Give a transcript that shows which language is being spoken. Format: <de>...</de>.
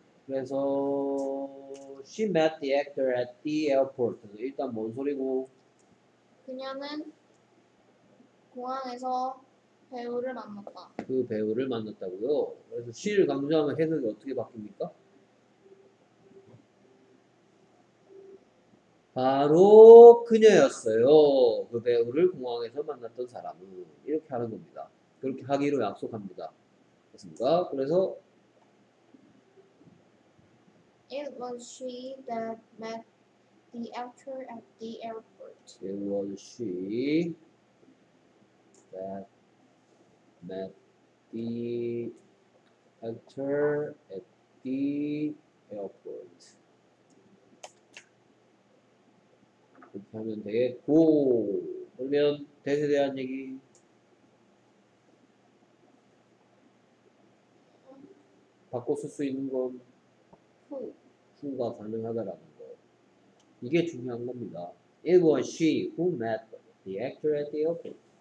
<ko>그래서</ko> <en>she met the actor at the airport.</en> <ko>일단 뭔 소리고? 그녀는 공항에서 배우를 만났다. 그 배우를 만났다고요? 그래서 she를 강조하면 해석이 어떻게 바뀝니까? 바로 그녀였어요. 그 배우를 공항에서 만났던 사람은 이렇게 하는 겁니다. 그렇게 하기로 약속합니다. 됐습니까? 그래서</ko> <en>It was she that met the actor at the airport. It was she that met the actor at the airport.</en> <ko>그렇게 하면 되겠고, 그러면 대세에 대한 얘기. 바꿔 쓸 수 있는 건? 가 가능하다라는 거 이게 중요한 겁니다.</ko> <en>It was she who met the actor at the airport.</en>